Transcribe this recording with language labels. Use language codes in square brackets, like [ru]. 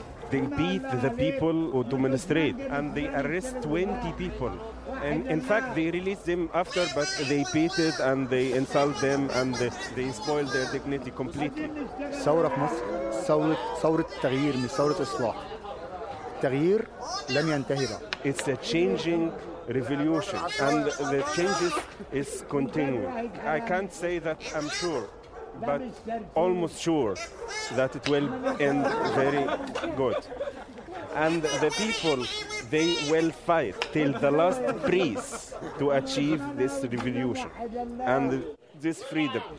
[en] They beat the people who demonstrate, and they arrest 20 people. And in fact, they released them after, but they beat it and they insult them and they spoil their dignity completely. [ar] ثورة في مصر ثورة تغيير مش ثورة إصلاح. تغيير لم ينتهي بقى. [en] It's a changing revolution, and the changes is continuing. I can't say that I'm sure, but almost sure that it will end very good. And the people, they will fight till the last breath to achieve this revolution and this freedom.